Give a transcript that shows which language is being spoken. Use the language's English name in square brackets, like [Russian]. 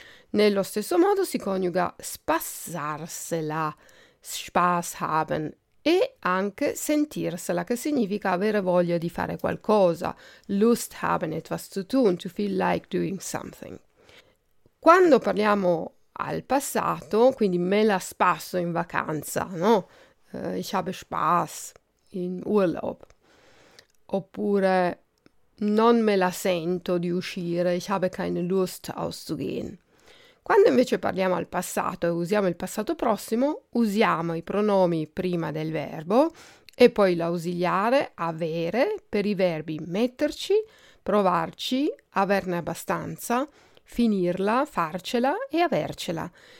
[Italian] Nello stesso modo si coniuga spassarsela, [German] Spaß haben, [Italian] e anche sentirsela, che significa avere voglia di fare qualcosa, [German] Lust haben, etwas zu tun, [English] to feel like doing something. [Italian] Quando parliamo al passato, quindi me la spasso in vacanza, no? [German] Ich habe Spaß in Urlaub. [Italian] Oppure non me la sento di uscire, [German] ich habe keine Lust auszugehen. [Italian] Quando invece parliamo al passato e usiamo il passato prossimo, usiamo i pronomi prima del verbo e poi l'ausiliare avere per i verbi metterci, provarci, averne abbastanza, finirla, farcela e avercela.